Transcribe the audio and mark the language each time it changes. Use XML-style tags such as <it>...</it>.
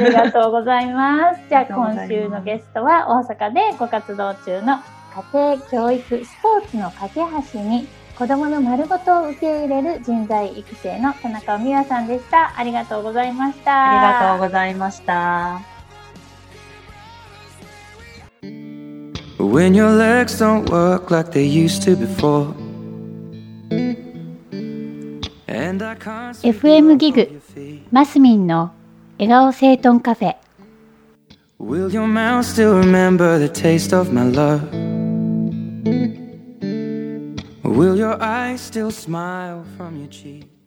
<ja>い、ありがとうございます。じゃあ今週のゲストは大阪でご活動中の家庭教育スポーツの架け橋に子どもの丸ごとを受け入れる人材育成の田中美和さんでした。ありがとうございました。ありがとうございました。</ja> <en>When your legs don't work like they used to before</en> <ja>FM ギグマスミンの笑顔整頓カフェ。</ja> <en>Will your mouth still remember the taste of my love? Will your eyes still smile from your cheek?</en>